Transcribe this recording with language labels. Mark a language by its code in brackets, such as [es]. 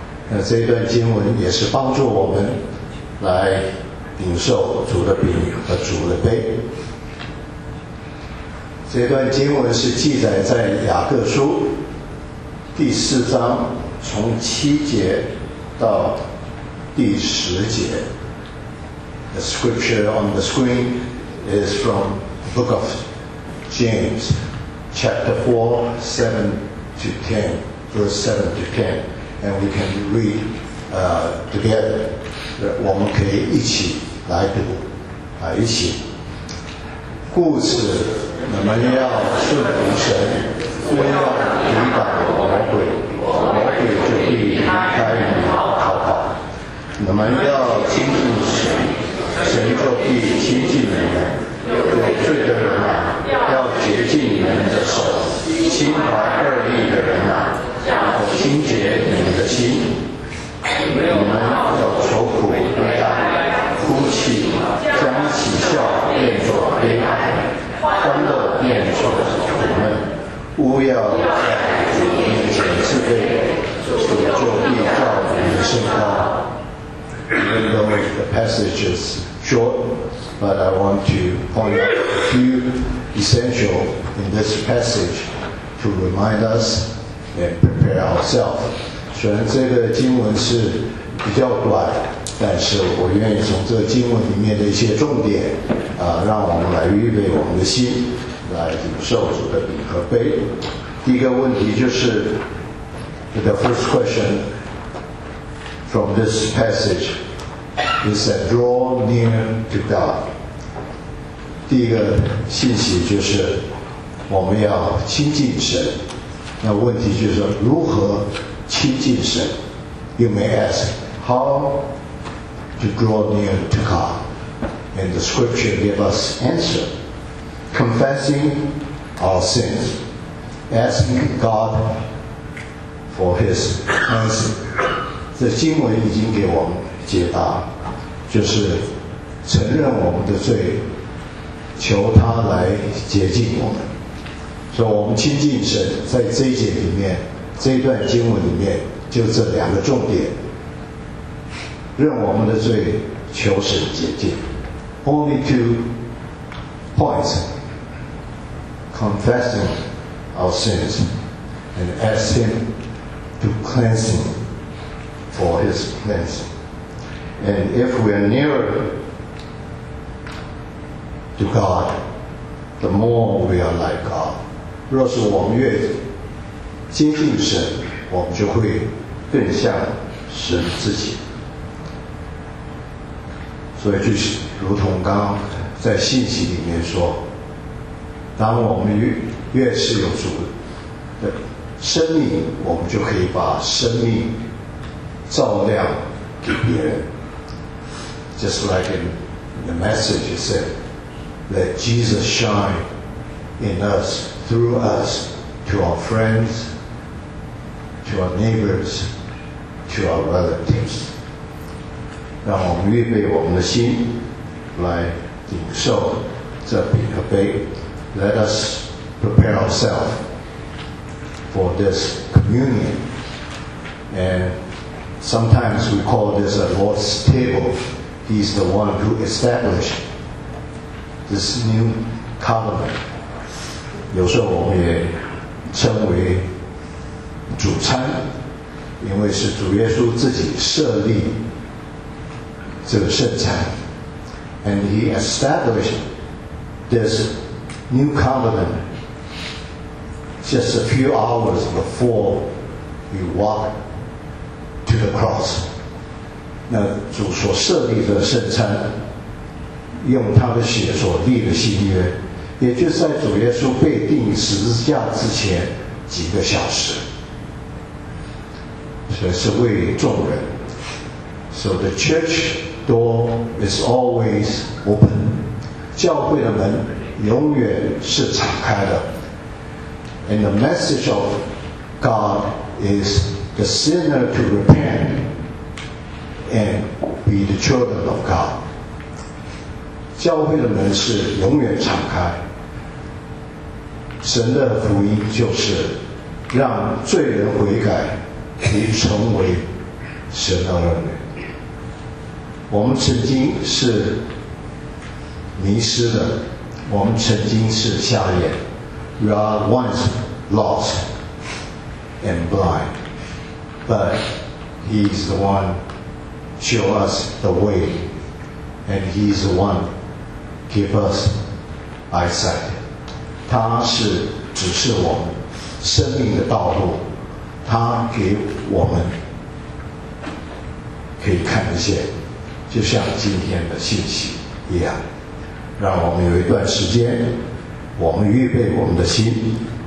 [zh] 那这一段经文也是帮助我们来领受主的饼和主的杯。这段经文是记载在雅各书第四章从七节到第十节。 [en] The scripture on the screen is from the book of James. Chapter 4, 7 to 10, verse 7 to 10, and we can read together. [zh] 我们可以一起来读，一起。故此，你们要顺服神，不要抵挡魔鬼，魔鬼就必离开你们逃跑。你们要亲近神，神就必亲近你们。有罪的人啊，要洁净你们的手；心怀恶意的人啊，要清洁你们的心。你们要愁苦悲哀，哭泣，将喜笑变作悲哀，欢乐变作痛苦。乌要在主面前自卑，主就必照你的圣道。 [en] Even though the passage is short, but I want to point out a few essential in this passage to remind us and prepare ourselves. [zh] 虽然这个经文是比较短，但是我愿意从这个经文里面的一些重点，让我们来预备我们的心，来领受主的饼和杯。第一个问题就是 [en] ，the first question from this passage is that draw near to God。 [zh] 第一个信息就是我们要亲近神。那问题就是如何亲近神 [en] ？You may ask how to draw near to God, and the scripture give us answer. Confessing our sins, asking God for His mercy. [zh] 这经文已经给我们解答，就是承认我们的罪，求他来洁净我们。所以我们亲近神，在这一节里面，这一段经文里面，就这两个重点，认我们的罪，求神洁净。 [en] Only two points. Confessing our sins and ask Him to cleanse me for His cleansing. And if we are nearer to God, the more we are like God. [zh] 若是我们越接近神，我们就会更像神自己。所以就是如同刚在信息里面说，当我们越是有主的生命，我们就可以把生命照亮给别人。 [en] Just like in the message it said, let Jesus shine in us, through us, to our friends, to our neighbors, to our relatives. [zh] 让我们预备我们的心来领受这饼和杯。 [en] Let us prepare ourselves for this communion. And sometimes we call this a Lord's table. He's the one who established this new covenant. [zh] 有时候我们也称为主餐，因为是主耶稣自己设立这个圣餐。 [en] And He established thisNew covenant just a few hours before he walked to the cross. [zh] 那主所设立的圣餐，用他的血所立的新约，也就是在主耶稣被钉十字架之前几个小时，所以是为众人。 [en] So the church door is always open. [zh] 教会的门永远是敞开的。 [en] And the message of God is the sinner to repent and be the children of God. [zh] 教会的门是永远敞开，神的福音就是让罪人悔改，可以成为神的儿女。我们曾经是迷失的，我们曾经是瞎眼。 [en] We are once lost and blind, but He is the one show us the way, and He is the one give us eyesight. [zh] 他是指示我们生命的道路，他给我们可以看得见，就像今天的信息一样。让我们有一段时间，我们预备我们的心。